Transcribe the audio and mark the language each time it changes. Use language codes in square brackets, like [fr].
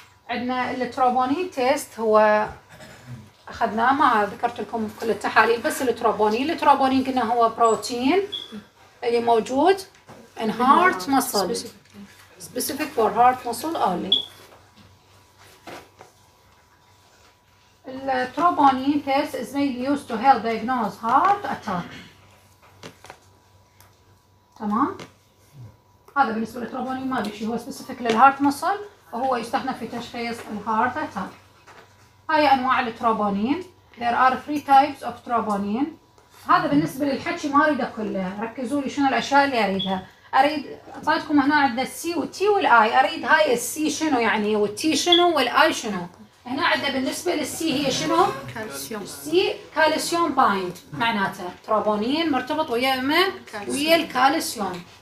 [ar] عندنا التروبونين تيست هو اخذناه، ما ذكرت لكم كل التحاليل بس التروبونين. التروبونين قلنا هو بروتين اللي موجود ان هارت مسل [en] specific for heart muscle only. التروبونين test is mainly used to help diagnose heart attack. [ar] تمام؟ هذا بالنسبة للتروبونين ما أدري شو هو specific للheart muscle، وهو يستخدم في تشخيص الheart attack. هاي أنواع التروبونين. [en] There are three types of troponin. [ar] هذا بالنسبة للحكي ما أريده كله، ركزوا لي شنو الأشياء اللي أريدها. اريد اعطيتكم هنا عندنا السي والتي والاي، اريد هاي السي شنو يعني والتي شنو والاي شنو. هنا عندنا بالنسبه للسي هي شنو؟ كالسيوم. السي كالسيوم بايند، معناته تروبونين مرتبط ويا من؟ ويا الكالسيوم.